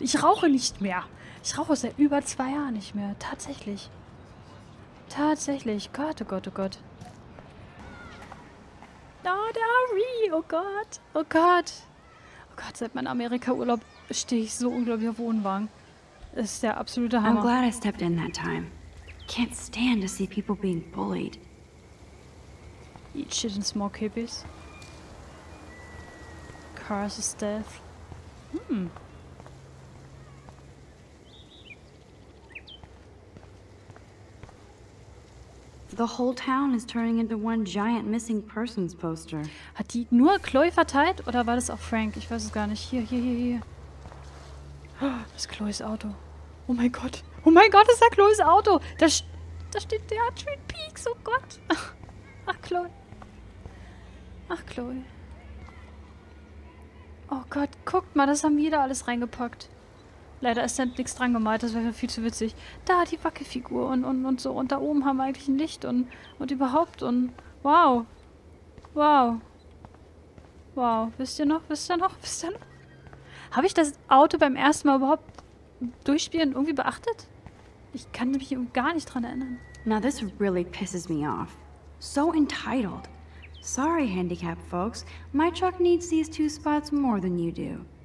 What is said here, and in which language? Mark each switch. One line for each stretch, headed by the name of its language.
German: Ich rauche nicht mehr. Ich rauche seit über 2 Jahren nicht mehr. Tatsächlich. Tatsächlich. Gott, oh Gott, oh Gott. Oh, der Ari, oh Gott, oh Gott. Oh Gott, seit meinem Amerika-Urlaub stehe ich so unglaublich auf Wohnwagen. Das ist der absolute Hammer.
English: I'm glad I stepped in that time. Can't stand to see people being bullied. Eat shit in small kibbies. Cars is death. Hm. The whole town is turning into one giant missing persons poster.
German: Hat die nur Chloe verteilt oder war das auch Frank? Ich weiß es gar nicht. Hier, hier, hier, hier. Das ist Chloes Auto. Oh mein Gott. Oh mein Gott, das ist ja Chloes Auto. Da steht der Twin Peaks. Oh Gott. Ach, Chloe. Ach, Chloe. Oh Gott, guckt mal, das haben wir da alles reingepackt. Leider ist da nichts dran gemalt, das wäre viel zu witzig. Da, die Wackelfigur und so. Und da oben haben wir eigentlich ein Licht und überhaupt und... Wow. Wow. Wow. Wisst ihr noch? Wisst ihr noch? Wisst ihr noch? Habe ich das Auto beim ersten Mal überhaupt durchspielen irgendwie beachtet? Ich kann mich gar nicht dran erinnern.
English: Now this really pisses me off. So entitled. Sorry, handicapped folks. My truck needs these 2 spots more than you do.